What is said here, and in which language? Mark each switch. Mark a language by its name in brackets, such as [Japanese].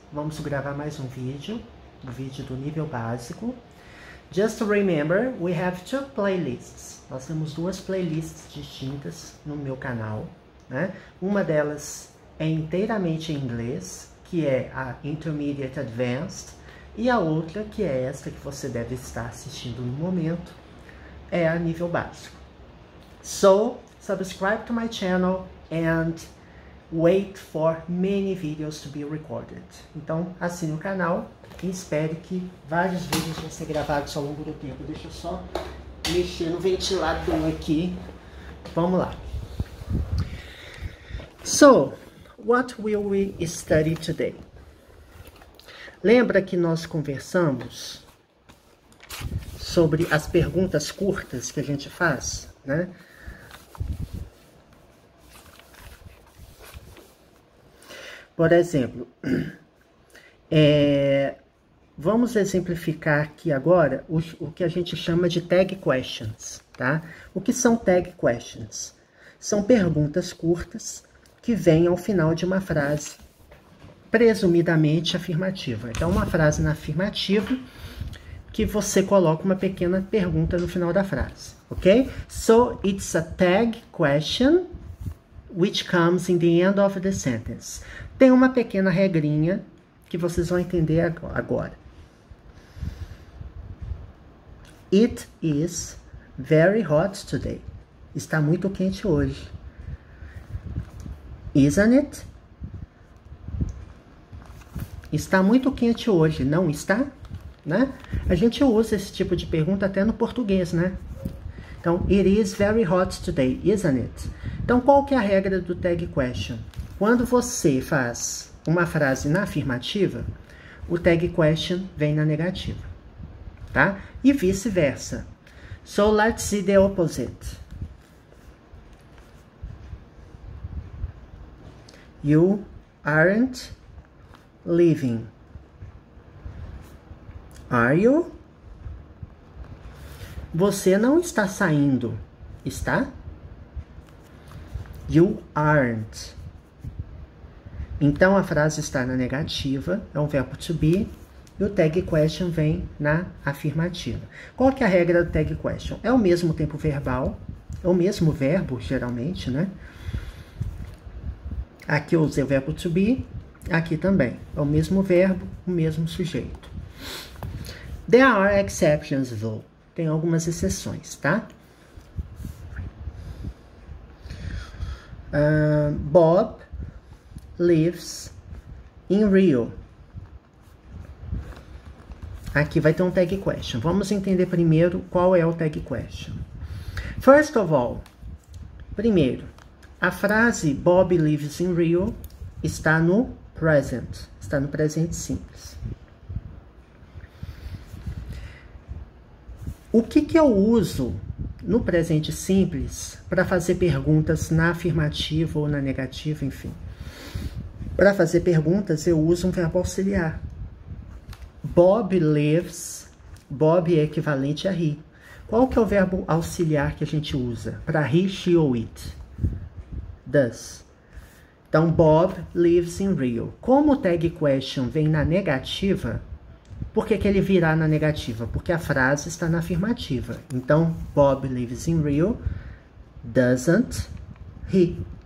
[Portuguese] Vamos gravar mais um vídeo do nível básico. [English] Just remember, we have two playlists. [Portuguese] Nós temos duas playlists distintas no meu canal, né? Uma delas é inteiramente em inglês, que é a Intermediate Advanced, e a outra, que é esta que você deve estar assistindo no momento, é a nível básico. [English] So, subscribe to my channel and wait for many videos to be recorded. [Portuguese] Então, assine o canal e espere que vários vídeos vão ser gravados ao longo do tempo. Deixa eu só mexer no ventilador aqui. Vamos lá. [English] So, what will we study today? [Portuguese] Lembra que nós conversamos sobre as perguntas curtas que a gente faz, né? Por exemplo, vamos exemplificar aqui agora o que a gente chama de tag questions, tá? O que são tag questions? São perguntas curtas que vêm ao final de uma frase presumidamente afirmativa. Então, uma frase na afirmativa que você coloca uma pequena pergunta no final da frase, ok? [English] So, it's a tag question which comes in the end of the sentence. [Portuguese] Tem uma pequena regrinha que vocês vão entender agora. [English] It is very hot today. [Portuguese] Está muito quente hoje. [English] Isn't it? [Portuguese] Está muito quente hoje, não está? Né? A gente usa esse tipo de pergunta até no português, né? [English] Então, it is very hot today, isn't it? [Portuguese] Então, qual que é a regra do tag question? Quando você faz uma frase na afirmativa, o tag question vem na negativa, tá? E vice-versa. [English] So, let's see the opposite. You aren't leaving. Are you? [Portuguese] Você não está saindo, está? [English] You aren't. [Portuguese] Então, a frase está na negativa, é um verbo to be, e o tag question vem na afirmativa. Qual que é a regra do tag question? É o mesmo tempo verbal, é o mesmo verbo, geralmente, né? Aqui eu usei o verbo to be, aqui também. É o mesmo verbo, o mesmo sujeito. [English] There are exceptions, though. [Portuguese] Tem algumas exceções, tá? [English] Bob lives in Rio. [Portuguese] Aqui vai ter um tag question. Vamos entender primeiro qual é o tag question. [English] First of all, [Portuguese] primeiro, a frase [English] Bob lives in Rio [Portuguese] está no present. Está no presente simples. O que que eu uso no presente simples para fazer perguntas na afirmativa ou na negativa, enfim? Para fazer perguntas, eu uso um verbo auxiliar. [English] Bob lives. [Portuguese] Bob é equivalente a he. Qual que é o verbo auxiliar que a gente usa para he, she ou it? Does. Então, [English] Bob lives in Rio. [Portuguese] Como o tag question vem na negativa, por que que ele virá na negativa? Porque a frase está na afirmativa. [English] Então, Bob lives in Rio, doesn't he?